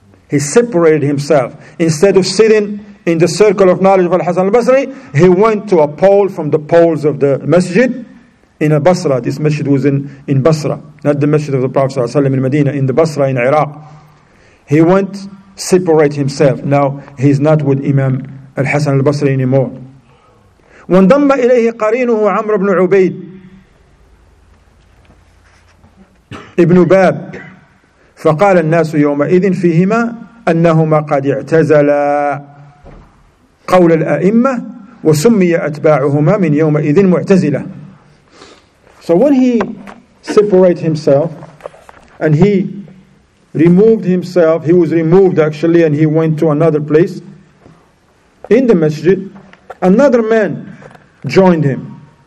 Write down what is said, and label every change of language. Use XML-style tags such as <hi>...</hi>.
<en>He separated himself. Instead of sitting in the circle of knowledge of Al-Hasan al-Basri, he went to a pole from the poles of the masjid in a Basra. This masjid was in Basra, not the masjid of the Prophet sallallahu alaihi wasallam in Medina, in the Basra in Iraq. He went separate himself. Now he's not with Imam Al-Hasan al-Basri anymore.</en> <ar>وَانْضَمَّ إِلَيْهِ قَرِينُهُ عَمْرُ بْنُ عُبَيْدِ ابْنُ بَابِ فقال الناس يومئذ فيهما أنهما قد اعتزلا قول الأئمة وسمي أتباعهما من يومئذ معتزلة</ar> <en>So when he separated himself and he removed himself, he was removed actually, and he went to another place in the masjid, another man joined him.</en>